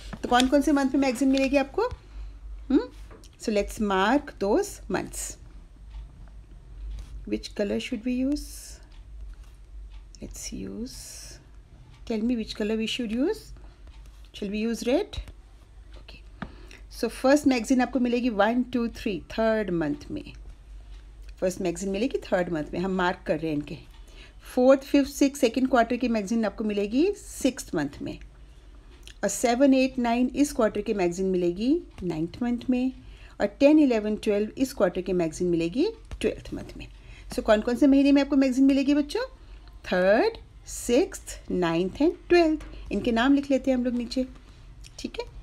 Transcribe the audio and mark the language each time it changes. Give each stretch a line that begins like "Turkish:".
Hindi: तो कौन कौन से मंथ में मैगजीन मिलेगी आपको?
English: So let's mark those months. Which colour should we use? Let's use, tell me which colour we should use. Shall we use red? Okay.
Hindi: So first magazine आपको मिलेगी 1 2 3 third month में. First magazine मिलेगी third month में, हम mark कर रहे हैं इनके. Fourth, fifth, sixth, second quarter की magazine आपको मिलेगी sixth month में. और 7 8 9 इस quarter की magazine मिलेगी ninth month में. और 10 11 12 इस quarter की magazine मिलेगी 12th month में. So कौन कौन से महीने में आपको magazine मिलेगी बच्चों?
English: Third, sixth, ninth and 12th.
Hindi: इनके नाम लिख लेते हैं हम लोग नीचे, ठीक है?